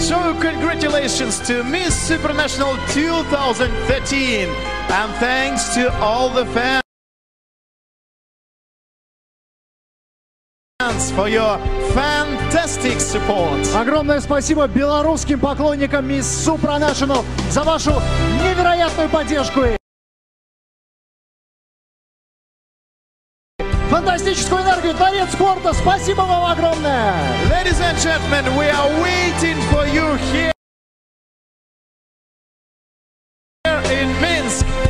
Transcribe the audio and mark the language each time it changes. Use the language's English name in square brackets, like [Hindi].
[English] So congratulations to Miss Supranational 2013, and thanks to all the fans for your fantastic support. [Russian] Огромное спасибо белорусским поклонникам Miss Supranational за вашу невероятную поддержку и фантастическую энергию, дворец спорта, спасибо вам огромное! [English] Ladies and gentlemen, we are waiting for you here in Minsk.